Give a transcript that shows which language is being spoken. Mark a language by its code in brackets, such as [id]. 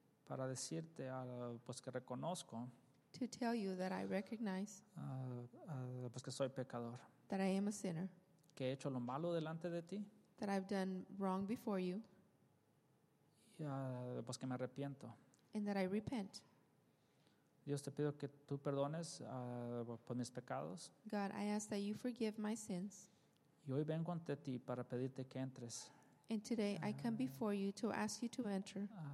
[es] Para decirte pues que reconozco. [en] To tell you that I recognize. [es] Pues que soy pecador. [en] That I am a sinner. [es] Que he hecho lo malo delante de ti. [en] That I've done wrong before you. [es] Y pues que me arrepiento. [en] And that I repent. [es] Dios, te pido que tú perdones por mis pecados. [en] God, I ask that you forgive my sins. [es] Y hoy vengo ante ti para pedirte que entres. [en] And today I come before you to ask you to enter.